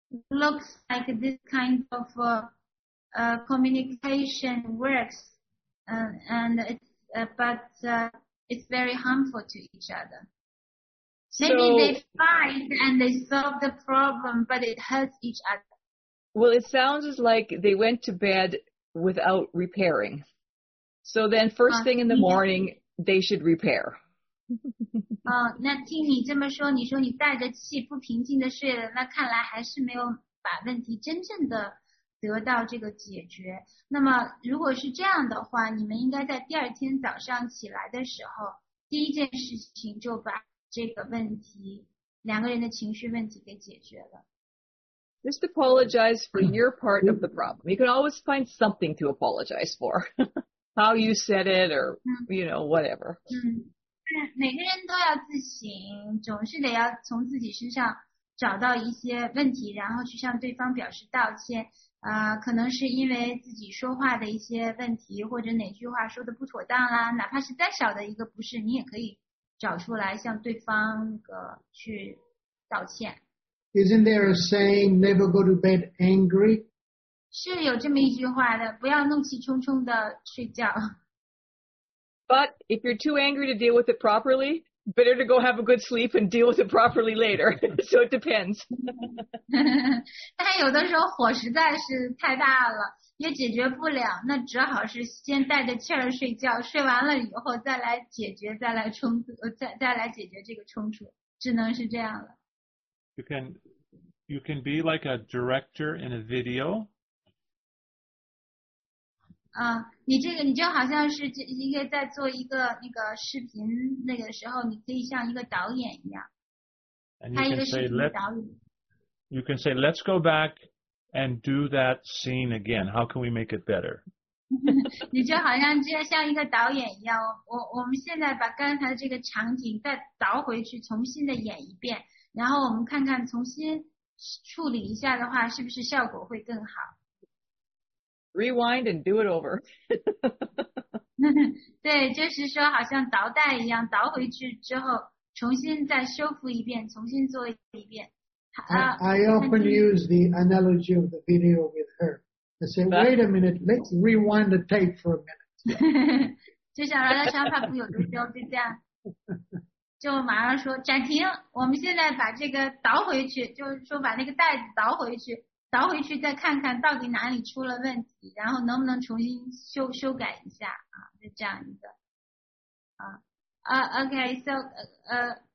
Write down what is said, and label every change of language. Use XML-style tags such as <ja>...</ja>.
<en>Looks like this kind of, communication works, and it's,it's very harmful to each other. Maybe so, they fight and they solve the problem, but it hurts each other. Well, it sounds as like they went to bed without repairing. So then first thing in the morning, they should repair.</en> <zh>那听你这么说，你说你带着气不平静的睡了，那看来还是没有把问题真正的得到这个解决。那么如果是这样的话，你们应该在第二天早上起来的时候，第一件事情就把这个问题，两个人的情绪问题给解决了。</zh> <en>Just apologize for your part of the problem. You can always find something to apologize for. How you said it or, you know, whatever.</en> <zh>每个人都要自省，总是得要从自己身上找到一些问题，然后去向对方表示道歉。可能是因为自己说话的一些问题，或者哪句话说的不妥当啦，哪怕是再小的一个不是，你也可以找出来向对方那个去道歉。</zh> <en>Isn't there a saying, never go to bed angry?</en> <zh>是有这么一句话的，不要怒气冲冲的睡觉。</zh> <en>But if you're too angry to deal with it properly, better to go have a good sleep and deal with it properly later. So it depends.</en> <zh>但有的时候火实在是太大了，也解决不了，那只好是先带着气儿睡觉，睡完了以后再来解决，再来冲突，再来解决这个冲突，只能是这样了。</zh> <en>You can be like a director in a video.</en> <zh>你就好像是一个在做一个那个视频那个时候，你可以像一个导演一样，拍一个视频导演。</zh> <en>You can say, let's go back and do that scene again. How can we make it better?</en> <zh>你就好像就像一个导演一样，我们现在把刚才这个场景再倒回去，重新的演一遍，然后我们看看重新处理一下的话，是不是效果会更好。</zh> <en>Rewind and do it over.</en> <zh>对，就是说好像倒带一样，倒回去之后，重新再修复一遍，重新做一遍。</zh> <en>I often use the analogy of the video with her. I say, wait a minute, let's rewind the tape for a minute.</en> <zh>就像拉拉香帕布有的时候就这样，就马上说暂停，我们现在把这个倒回去，就是说把那个袋子倒回去，倒回去再看看到底哪里出了问题，然后能不能重新修改一下啊，就这样一个。</zh>